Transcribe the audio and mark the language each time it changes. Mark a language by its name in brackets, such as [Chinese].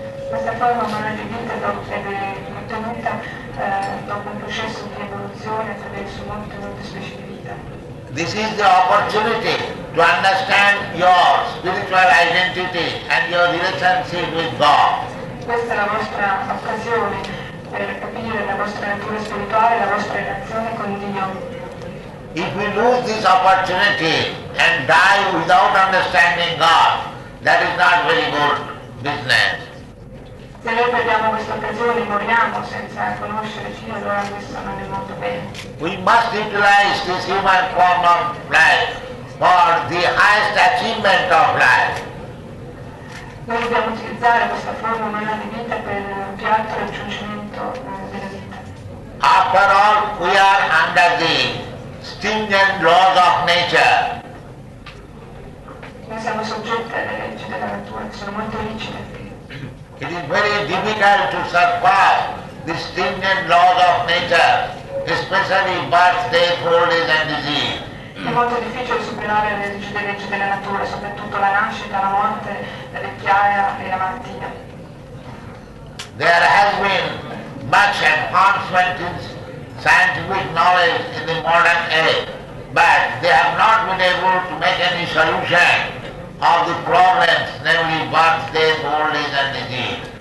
[Italian] Questa forma umana di vita è ottenuta dopo un processo di evoluzione attraverso molte specie di vita. [English] This is the opportunity to understand your spiritual identity and your relationship with God. [Italian] Questa è la nostra occasione per capire la vostra natura spirituale, la vostra relazione con Dio. [English] If we lose this opportunity and die without understanding God, that is not very good business. [Italian] Se noi perdiamo questa occasione, moriamo senza conoscere Dio, allora questo non è molto bene. [English] We must utilize this human form of life for the highest achievement of life. [Italian] Noi dobbiamo utilizzare questa forma umana di vita per il più alto raggiungimento della vita. [English] After all, we are under the stringent laws of nature. [Italian] Noi siamo soggetti alle leggi della natura, sono molto rigide. [English] It is very difficult to surpass the stringent laws of nature, especially birth, death, old age and disease. [Italian] È molto difficile superare le leggi della natura, soprattutto la nascita, la morte, la vecchiaia e la malattia. [English] There has been much advancement in scientific knowledge in the modern age, but they have not been able to make any solution of the problems, namely birth, death, old age and disease.